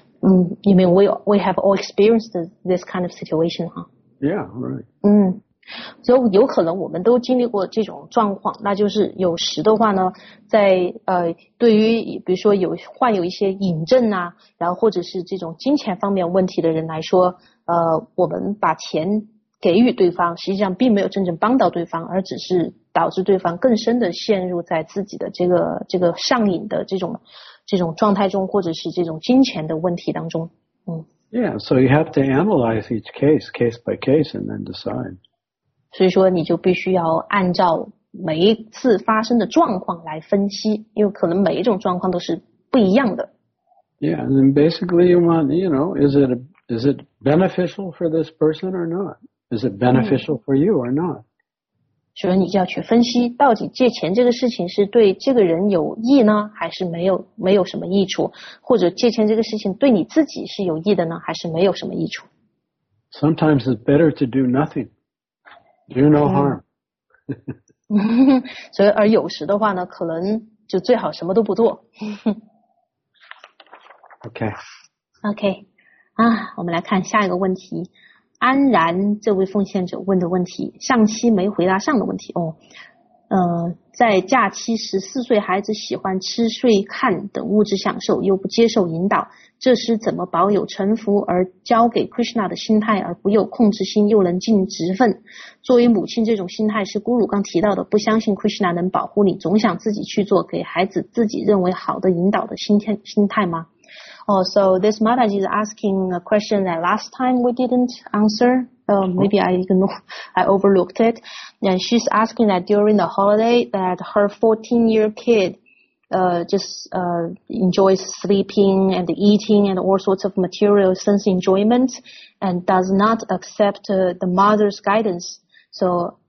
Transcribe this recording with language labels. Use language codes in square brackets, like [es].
[en] You mean we have all experienced this kind of situation, huh? Yeah, right. [zh] 就有可能我们都经历过这种状况，那就是有时的话呢，在对于比如说有患有一些瘾症啊，然后或者是这种金钱方面问题的人来说，我们把钱给予对方，实际上并没有真正帮到对方，而只是导致对方更深的陷入在自己的这个上瘾的这种状态中，或者是这种金钱的问题当中。 [en] Yeah, so you have to analyze each case by case and then decide. [zh] 所以说你就必须要按照每一次发生的状况来分析，因为可能每一种状况都是不一样的。 [en] Yeah, and then basically you want, you know, is it beneficial for this person or not? Is it beneficial for you or not? [zh] 所以你就要去分析到底借钱这个事情是对这个人有益呢，还是没有什么益处，或者借钱这个事情对你自己是有益的呢，还是没有什么益处。 [en] Sometimes it's better to do nothing. Do no harm. [zh] 所以而有时的话呢，可能就最好什么都不做。 [en] Okay. [zh] 我们来看下一个问题。安然这位奉献者问的问题，上期没回答上的问题哦。在假期时，14岁孩子喜欢吃、睡、看等物质享受，又不接受引导，这时怎么保有臣服而交给 Krishna 的心态，而不有控制心，又能尽职分？作为母亲，这种心态是咕噜刚提到的，不相信 Krishna 能保护你，总想自己去做，给孩子自己认为好的引导的心态吗？ [en] Oh, so this Mataji is asking a question that last time we didn't answer. Maybe I overlooked it. And she's asking that during the holiday that her 14-year kid enjoys sleeping and eating and all sorts of material sense enjoyment and does not accept the mother's guidance. So